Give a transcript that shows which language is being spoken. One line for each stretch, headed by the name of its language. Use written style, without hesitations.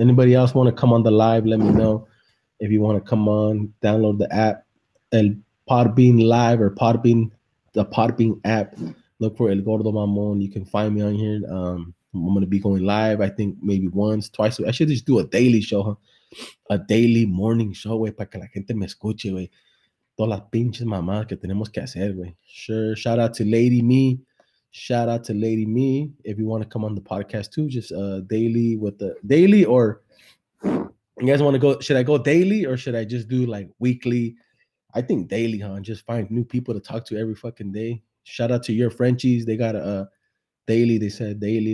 English: Anybody else want to come on the live? Let me know if you want to come on. Download the app, El Podbean Live or Podbean, the Podbean app. Look for El Gordo Mamon. You can find me on here. I'm going to be going live, I think, maybe once, twice. I should just do a daily show, huh? A daily morning show,
Spanish: güey, para que la gente me escuche, güey. Todas las pinches mamadas que tenemos que hacer, güey.
English: Sure. Shout out to Lady Me. Shout out to Lady Me. If you want to come on the podcast, too, just daily with the – daily or – you guys want to go – should I go daily or should I just do, like, weekly? I think daily, huh? Just find new people to talk to every fucking day. Shout out to your Frenchies. They got a daily. They said daily.